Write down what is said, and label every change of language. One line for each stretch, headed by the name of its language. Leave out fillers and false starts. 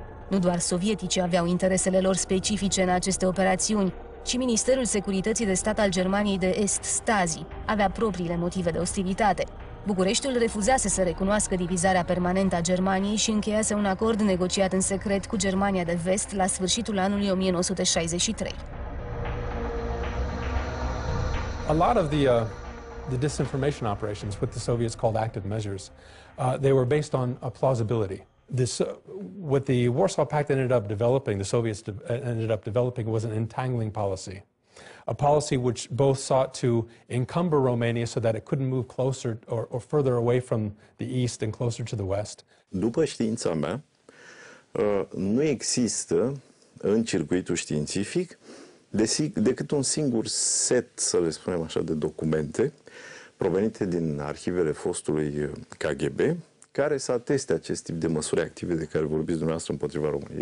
Romanian: Nu doar sovieticii aveau interesele lor specifice în aceste operațiuni, ci Ministerul Securității de Stat al Germaniei de Est, Stasi, avea propriile motive de ostilitate. Bucureștiul refuzase să recunoască divizarea permanentă a Germaniei și încheiase un acord negociat în secret cu Germania de Vest la sfârșitul anului 1963.
English: A lot of the disinformation operations, what the Soviets called active measures, they were based on a plausibility. This, what the Warsaw Pact ended up developing, the Soviets ended up developing, was an entangling policy. A policy which both sought to encumber Romania so that it couldn't move closer or further away from the east and closer to the west.
Romanian: După știința mea, nu există în circuitul științific decât un singur set, să le spunem așa, de documente provenite din arhivele fostului KGB, care să ateste acest tip de măsuri active de care vorbiți dumneavoastră împotriva României.